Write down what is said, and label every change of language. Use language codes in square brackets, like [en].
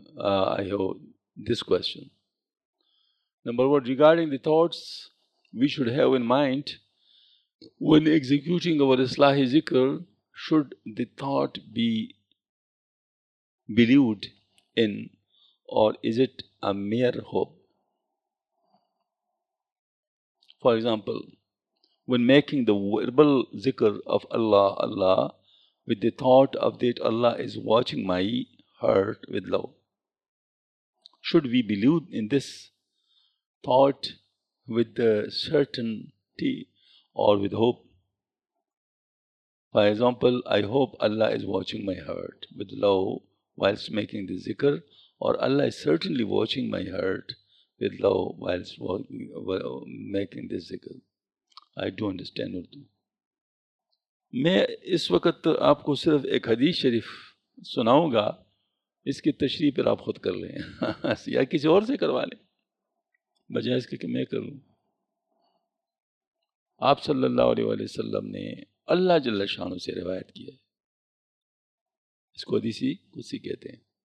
[en] I have this question number one, regarding the thoughts we should have in mind when executing our इस्लाही ज़िक्र, should the thought be believed in or is it a mere hope? For example, when making the verbal zikr of Allah, Allah, with the thought of that Allah is watching my heart with love, should we believe in this thought with the certainty or with hope? For example, I hope Allah is watching my heart with love whilst making the zikr, or Allah is certainly watching my heart with love whilst making this zikr. I do understand Urdu. [hi] मैं इस वक्त आपको सिर्फ एक हदीस शरीफ सुनाऊँगा, इसकी तशरीह पर आप खुद कर लें या किसी और से करवा लें बजाय इसके कि मैं करूँ। आप सल्लल्लाहु अलैहि वसल्लम ने अल्लाह जल्ला शानों से रिवायत किया है, इसको हदीसी कुर्सी कहते हैं।